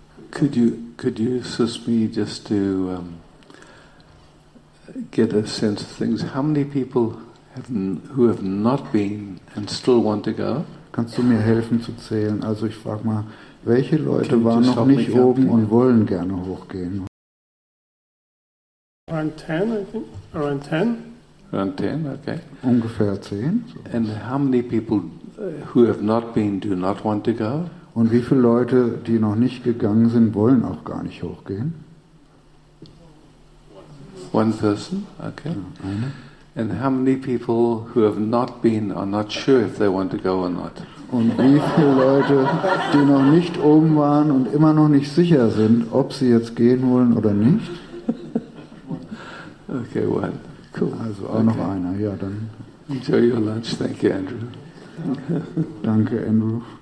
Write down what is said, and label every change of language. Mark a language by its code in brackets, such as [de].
[en] Could you assist me just to get a sense of things? How many people have not been and still want to go? [de] Kannst du mir helfen zu zählen? Also ich frage mal, welche Leute waren noch nicht oben und wollen gerne hochgehen? [en] Around 10, okay. [de] Ungefähr 10. So. [en] And how many people who have not been do not want to go? [de] Und wie viele Leute, die noch nicht gegangen sind, wollen auch gar nicht hochgehen? [en] One person, okay. [de] Ja, eine. [en] And how many people who have not been are not sure if they want to go or not? [de] Und wie viele Leute, die noch nicht oben waren und immer noch nicht sicher sind, ob sie jetzt gehen wollen oder nicht? [en] Okay, one. Cool. [de] Also auch okay. Noch einer, ja, dann. [en] Enjoy your lunch, thank you, Andrew. [de] Danke, Andrew.